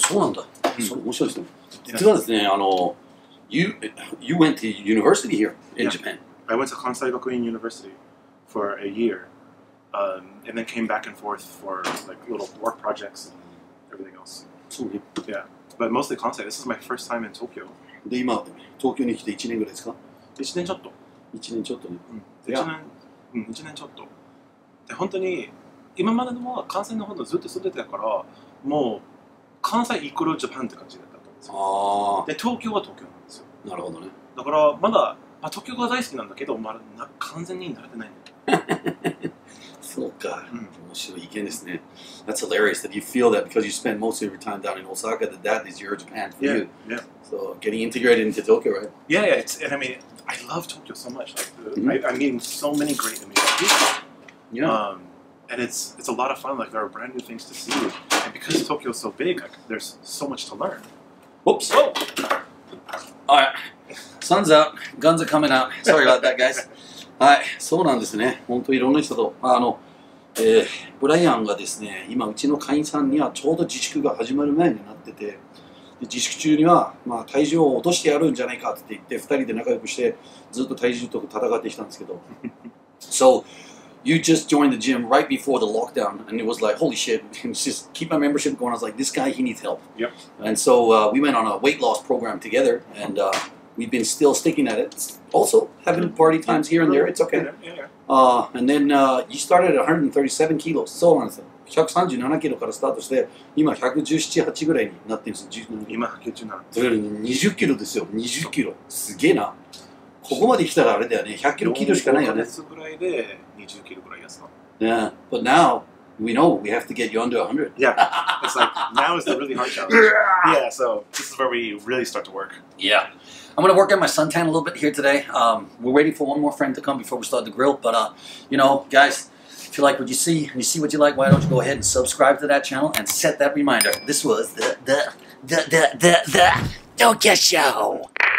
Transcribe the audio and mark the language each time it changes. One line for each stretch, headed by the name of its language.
Japanese: そうなんだ。それ面白いですね。
English: Yeah.
Japanese: 実はですね、
English: you went to university here in Japan. I went to Kansai Gakuin University for a year, and then came back and forth for like little work projects and everything else.
Japanese: そうね。
English: Yeah, but mostly Kansai. This is my first time in Tokyo.
Japanese: で、今、東京に来て1年ぐらいですか？ 1年ちょっと。 1年ちょっとね。 1年ちょっと。で、本当に、今までのものは関西の方でずっと住んでたから、もう、関西イコールジャパンって感じだったと思うんですよ。で、東京は東京なんですよ。なるほどね。だから、まだ、まあ、東京が大好きなんだけど、まあ、完全に慣れてないんだよ。そうか、面白い意見ですね。
English: That's hilarious that you feel that because you spend most of your time down in Osaka, that that is your Japan for you. So, getting integrated into Tokyo, right? Yeah, yeah, it's, and I mean,I love Tokyo so much. I mean, so many great amazing people. And it's a lot of fun. Like, there are brand new things to see. And because Tokyo is so big, like, there's so much to learn. Whoops. Oh. All right. Sun's out. Guns are coming out. Sorry about that, guys.
Japanese: はい。そうなんですね。本当にいろんな人と。ブライアンがですね、今うちの会員さんにはちょうど自粛が始まる前になってて、自粛中には、まあ、体重を落としてやるんじゃないかって言って二人で仲良くしてずっと体重と戦ってきたんですけど。
English: So, you just joined the gym right before the lockdown and it was like, holy shit, just keep my membership going. I was like, this guy, he needs help. Yep. And so, we went on a weight loss program together and we've been still sticking at it. Also, having party times here and there, it's okay. Yeah. And then, you started at 137 kilos.
Japanese: そうなんですよ。 137キロからスタートして今117、8ぐらいになってるんですよ。今117。それより20キロですよ。20キロ。すげえな。ここまで来たらあれだよね。100キロ切るしかないよね。4ヶ月ぐらいで20キロぐらい痩せた。
English: Yeah. But now, we know we have to get you under 100. Yeah. It's like, now is the really hard challenge. Yeah, so this is where we really start to work. Yeah. I'm going to work on my suntan a little bit here today. We're waiting for one more friend to come before we start the grill. But, you know, guys... If you like what you see, and you see what you like, why don't you go ahead and subscribe to that channel and set that reminder. This was the Tokyo Show.